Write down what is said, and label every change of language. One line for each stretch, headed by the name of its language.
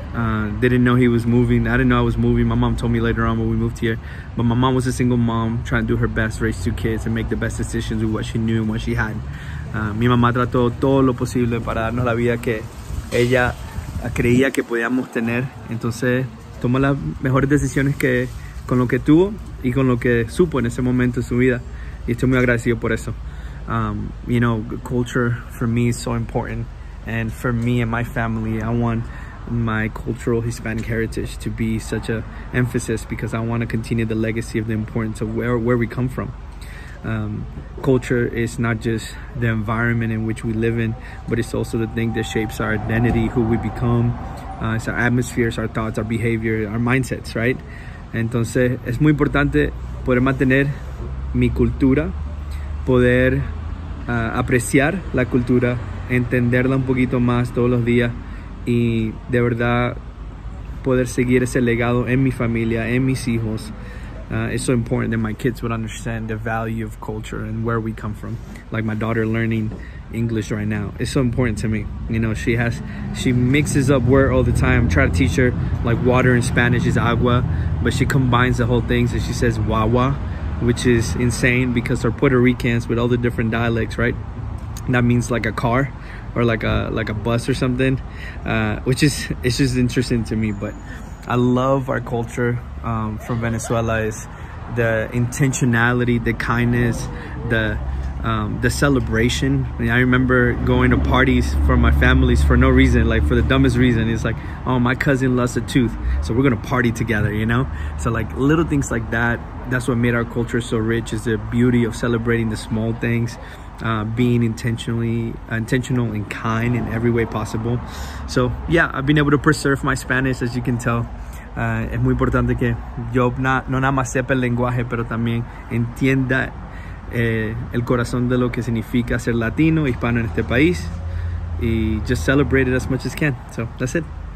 English: Didn't know he was moving. I didn't know I was moving. My mom told me later on when we moved here. But my mom was a single mom trying to do her best, raise two kids and make the best decisions with what she knew and what she had.
Spanish: Mi mamá trató todo lo posible para darnos la vida que ella creía que podíamos tener. Entonces, tomó las mejores decisiones que con lo que tuvo y con lo que supo en ese momento de su vida. Y estoy muy agradecido por eso.
English: You know, culture for me is so important. And for me and my family, I want my cultural Hispanic heritage to be such an emphasis because I want to continue the legacy of the importance of where we come from. Culture is not just the environment in which we live in, but it's also the thing that shapes our identity, who we become. It's our atmospheres, our thoughts, our behavior, our mindsets, right?
Spanish: Entonces, es muy importante poder mantener mi cultura, poder apreciar la cultura, entenderla un poquito más todos los días y de verdad poder seguir ese legado en mi familia, en mis hijos.
English: It's so important that my kids would understand the value of culture and where we come from. Like my daughter learning English right now. It's so important to me. You know, she mixes up word all the time. I try to teach her like water in Spanish is agua, but she combines the whole things and she says wawa, which is insane because they're Puerto Ricans with all the different dialects, right? That means like a car or like a bus or something, which is, it's just interesting to me. But I love our culture from Venezuela. Is the intentionality, the kindness, the celebration. I mean, I remember going to parties for my families for no reason, like for the dumbest reason. It's like, oh, my cousin lost a tooth, so we're gonna party together, you know? So like little things like that, that's what made our culture so rich, is the beauty of celebrating the small things. Being intentional and kind in every way possible. So yeah, I've been able to preserve my Spanish, as you can tell.
Spanish: Es muy importante que yo no nada más sepa el lenguaje, pero también entienda el corazón de lo que significa ser latino, hispano en este país, y
English: just celebrate it as much as can. So that's it.